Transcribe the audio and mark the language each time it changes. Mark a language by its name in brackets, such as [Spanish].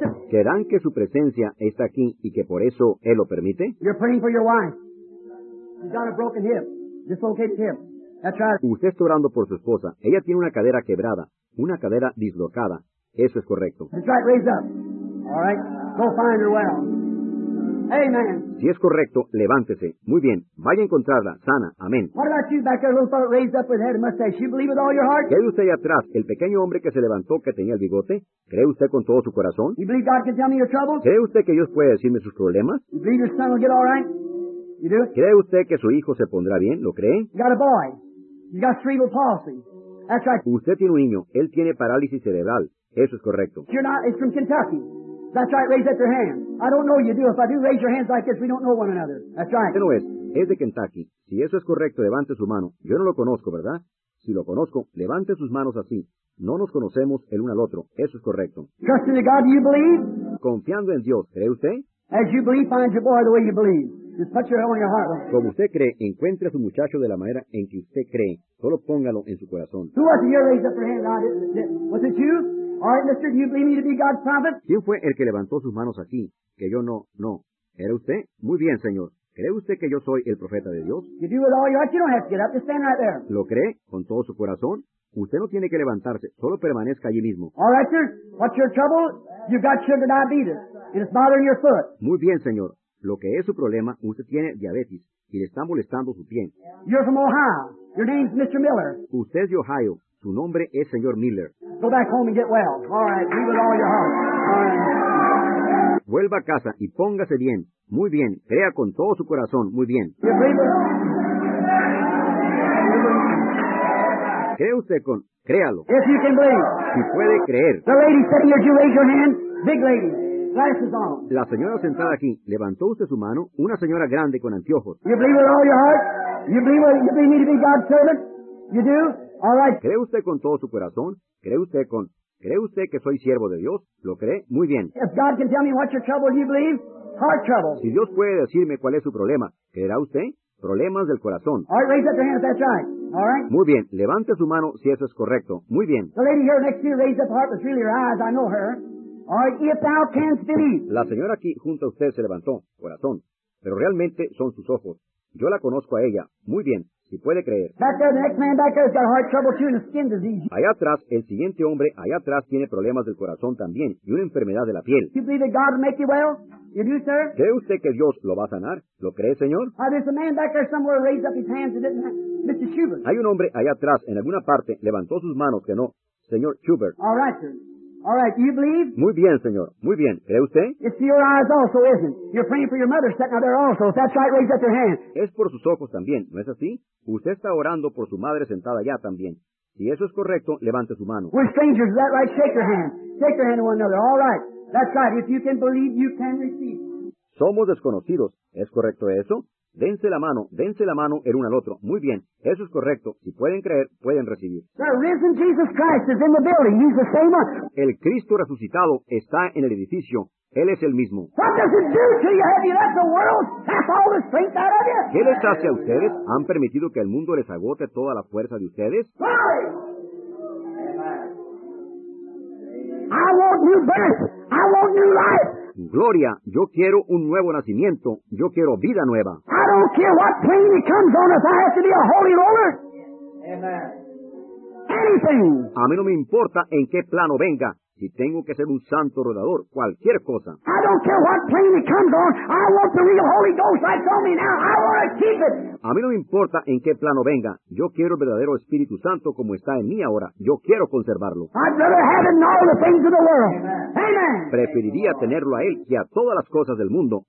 [Spanish] ¿Creerán que su presencia está aquí y que por eso él lo permite? [English] You're praying for your wife. She's got a broken hip, dislocated hip. That's right. [Spanish] Usted está orando por su esposa. Ella tiene una cadera quebrada, una cadera dislocada. Eso es correcto. [English] That's right. Raise up. All right. Go find her well. Amen. [Spanish] Si es correcto, levántese. Muy bien. Vaya a encontrarla sana. Amén. [English] What about you back there, little fellow raised up with head and mustache? You believe with all your heart? [Spanish] ¿Qué dice usted atrás, el pequeño hombre que se levantó que tenía el bigote? ¿Cree usted con todo su corazón? [English] You believe God can tell me your troubles? [Spanish] ¿Cree usted que Dios puede decirme sus problemas? [English] You believe your son will get all right? You do? [Spanish] ¿Cree usted que su hijo se pondrá bien? ¿Lo cree? [English] You got a boy. You got cerebral palsy. That's right. [Spanish] Usted tiene un niño. Él tiene parálisis cerebral. Eso es correcto. [English] You're not. It's from Kentucky. That's right. Raise up your hand. I don't know you do. If I do, raise your hands like this. We don't know one another. That's right. [Spanish] Eso no es. Es de Kentucky. Si eso es correcto, levante su mano. Yo no lo conozco, ¿verdad? Si lo conozco, levante sus manos así. No nos conocemos el uno al otro. Eso es correcto. [English] Trusting in God, do you believe? [Spanish] Confiando en Dios, ¿cree usted? [English] As you believe, find your boy the way you believe. Just put your hand on your heart. [Spanish] Como usted cree, encuentre a su muchacho de la manera en que usted cree. Solo póngalo en su corazón. [English] Who was it here? Raise up your hand. Was it you? All right, mister, do you believe me to be God's prophet? [Spanish] ¿Quién fue el que levantó sus manos aquí? Que yo no. ¿Era usted? Muy bien, señor. ¿Cree usted que yo soy el profeta de Dios? [English] You do with all your heart. You don't have to get up. Just stand right there. [Spanish] ¿Lo cree con todo su corazón? Usted no tiene que levantarse. Solo permanezca allí mismo. [English] All right, sir. What's your trouble? You've got sugar diabetes. And it's bothering your foot. [Spanish] Muy bien, señor. Lo que es su problema, usted tiene diabetes y le está molestando su pie. [English] You're from Ohio. Your name's Mr. Miller. [Spanish] Usted es de Ohio. Su nombre es señor Miller. [English] Go back home and get well. All right. Leave it all your heart. All right. [Spanish] Vuelva a casa y póngase bien. Muy bien. Crea con todo su corazón. Muy bien. ¿Cree usted con...? Créalo. [English] If you can believe. [Spanish] Si puede creer. [English] The lady sitting here, you raise your hand. Big lady. Glasses on. [Spanish] La señora sentada aquí, ¿levantó usted su mano? Una señora grande con anteojos. [English] You believe with all your heart? You believe me to be God's servant? You do? All right. [Spanish] ¿Cree usted con todo su corazón? ¿Cree usted que soy siervo de Dios? ¿Lo cree? Muy bien. [English] If God can tell me what's your trouble, you believe? Heart trouble. [Spanish] Si Dios puede decirme cuál es su problema, ¿creerá usted? Problemas del corazón. [English] All right, raise up your hand if that's right. All right. [Spanish] Muy bien. Levante su mano si eso es correcto. Muy bien. [English] The lady here next to you raised up her heart with really her eyes. I know her. All right, if thou canst believe. [Spanish] La señora aquí junto a usted se levantó. Corazón. Pero realmente son sus ojos. Yo la conozco a ella. Muy bien. Si puede creer. [English] Back there, the next man back there has got heart trouble too and a skin disease. [Spanish] Allá atrás, el siguiente hombre allá atrás tiene problemas del corazón también y una enfermedad de la piel. [English] You believe that God will make you well? You do, sir? [Spanish] ¿Cree usted que Dios lo va a sanar? ¿Lo cree, señor? [English] There's a man back there somewhere raised up his hands and didn't... Mr. Schubert. [Spanish] Hay un hombre allá atrás en alguna parte levantó sus manos que no. Señor Schubert. [English] All right, sir. All right, do you believe? [Spanish] Muy bien, señor. Muy bien. ¿Cree usted? [English] It's your eyes also, isn't it? You're praying for your mother sitting out there also. If that's right, raise up your hand. [Spanish] Es por sus ojos también, ¿no es así? Usted está orando por su madre sentada allá también. Si eso es correcto, levante su mano. [English] We're strangers, is that right? Shake your hand. Shake your hand to one another. All right. That's right. If you can believe, you can receive. [Spanish] Somos desconocidos. ¿Es correcto eso? Dense la mano el uno al otro. Muy bien, eso es correcto. Si pueden creer, pueden recibir. [English] The risen Jesus Christ is in the building. He's the same. [Spanish] El Cristo resucitado está en el edificio. Él es el mismo. [English] What does it do to you? Have you let the world sap all the strength out of you? [Spanish] ¿Qué les hace a ustedes? ¿Han permitido que el mundo les agote toda la fuerza de ustedes? [English] Glory! I want new birth. I want new life. [Spanish] Gloria, yo quiero un nuevo nacimiento. Yo quiero vida nueva. [English] I don't care what plane it comes on if I have to be a holy roller. Amen. Anything. [Spanish] A mí no me importa en qué plano venga. Si tengo que ser un santo rodador, cualquier cosa. [English] I don't care what plane it comes on. I want the real Holy Ghost. I told me now. I want to keep it. [Spanish] A mí no me importa en qué plano venga. Yo quiero el verdadero Espíritu Santo como está en mí ahora. Yo quiero conservarlo. [English] I'd rather have it than all the things of the world. Amen. Amen. [Spanish] Preferiría tenerlo a él que a todas las cosas del mundo.